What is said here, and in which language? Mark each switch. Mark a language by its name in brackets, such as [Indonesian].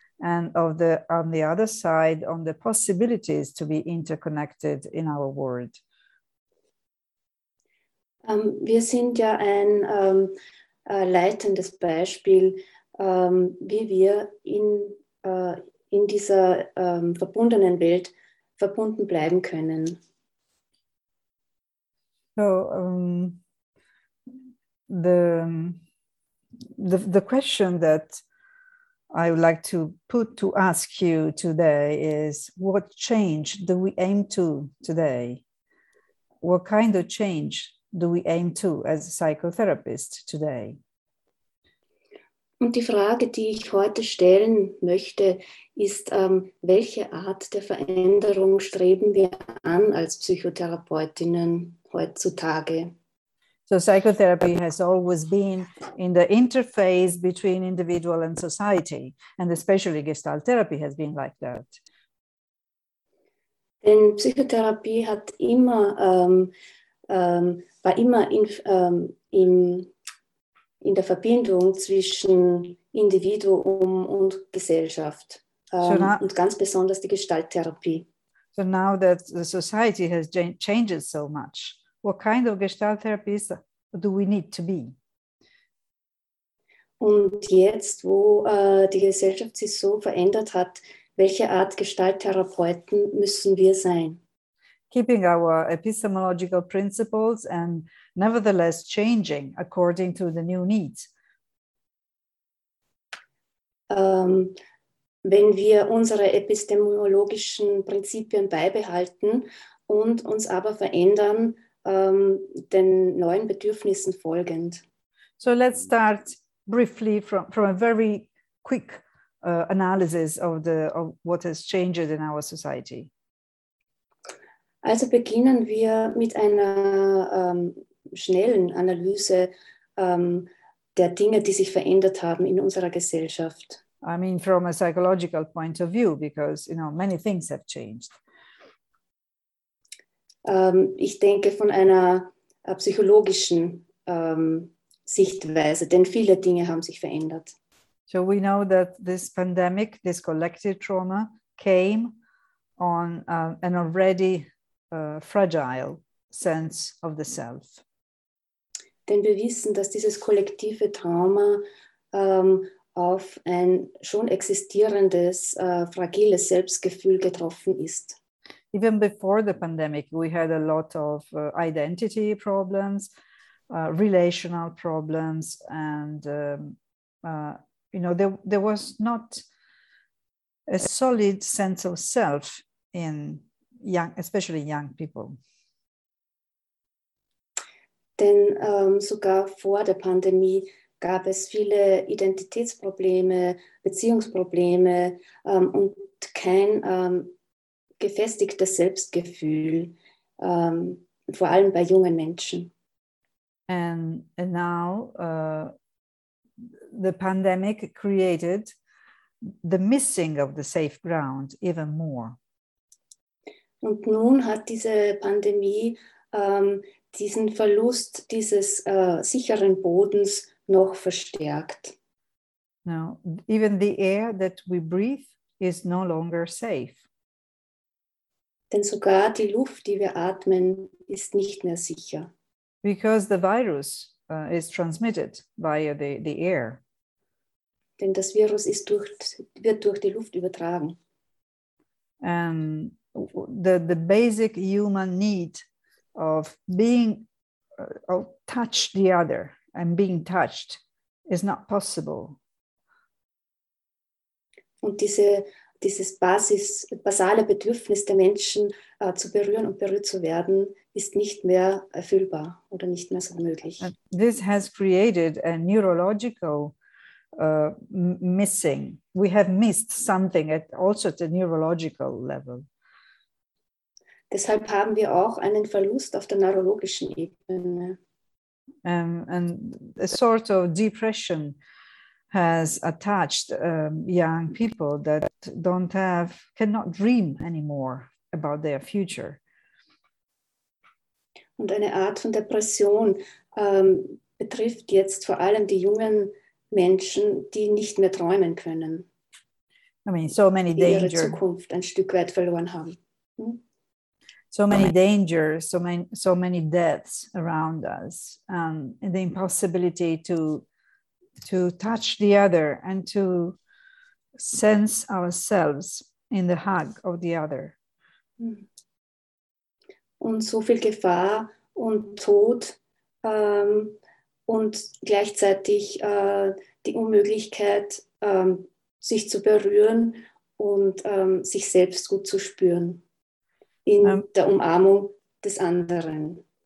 [English] and on the other side, on the possibilities to be interconnected in our world? [German] Wir sind ja ein leitendes Beispiel, wie wir in dieser verbundenen Welt verbunden bleiben können. [English] So the question that I would like to put to ask you today is, what change do we aim to today? What kind of change do we aim to as a psychotherapist today? [German] Und die Frage, die ich heute stellen möchte, ist, welche Art der Veränderung streben wir an als Psychotherapeutinnen heutzutage? [English] So psychotherapy has always been in the interface between individual and society, and especially Gestalt therapy has been like that. [German] Denn Psychotherapie hat immer war immer in der Verbindung zwischen Individuum und Gesellschaft, und ganz besonders die Gestalttherapie. [English] So now that the society has changed so much, what kind of Gestalt therapist do we need to be? [German] Und jetzt, wo die Gesellschaft sich so verändert hat, welche Art Gestalttherapeuten müssen wir sein? [English] Keeping our epistemological principles and nevertheless changing according to the new needs. [German] Wenn wir unsere epistemologischen Prinzipien beibehalten und uns aber verändern, den neuen Bedürfnissen folgend. [English] So let's start briefly from a very quick analysis of what has changed in our society. [German] Also beginnen wir mit einer schnellen Analyse der Dinge, die sich verändert haben in unserer Gesellschaft. [English] I mean from a psychological point of view, because you know many things have changed. [German] Ich denke von einer psychologischen Sichtweise, denn viele Dinge haben sich verändert. [English] So we know that this pandemic, this collective trauma, came on an already fragile sense of the self. [German] Denn wir wissen, dass dieses kollektive Trauma auf ein schon existierendes, fragiles Selbstgefühl getroffen ist. [English] Even before the pandemic, we had a lot of identity problems, relational problems, and you know, there was not a solid sense of self in young, especially young people. [German] Denn sogar vor der Pandemie gab es viele Identitätsprobleme, Beziehungsprobleme und kein gefestigtes Selbstgefühl, vor allem bei jungen Menschen. [English] And now the pandemic created the missing of the safe ground even more. [German] Und nun hat diese Pandemie diesen Verlust dieses sicheren Bodens noch verstärkt. [English] Now, even the air that we breathe is no longer safe. [German] Denn sogar die Luft, die wir atmen, ist nicht mehr sicher. [English] Because the virus is transmitted via the air. [German] Denn das Virus ist wird durch die Luft übertragen. [English] The basic human need of being of touch the other and being touched is not possible. [German] Und dieses basale Bedürfnis der Menschen zu berühren und berührt zu werden ist nicht mehr erfüllbar oder nicht mehr so möglich. [English] And this has created a neurological missing. We have missed something at also at the neurological level. [German] Deshalb haben wir auch einen Verlust auf der neurologischen Ebene. [English] And a sort of depression has attached young people that don't have, cannot dream anymore about their future. [German] Und eine Art von Depression betrifft jetzt vor allem die jungen Menschen, die nicht mehr träumen können. [English] I mean, so many dangers. [German] Zukunft ein Stück weit verloren haben. [English] So many dangers, so many deaths around us, and the impossibility to touch the other and to sense ourselves in the hug of the other. [German] Und so viel Gefahr und Tod und gleichzeitig die Unmöglichkeit, sich zu berühren und sich selbst gut zu spüren in der Umarmung des anderen.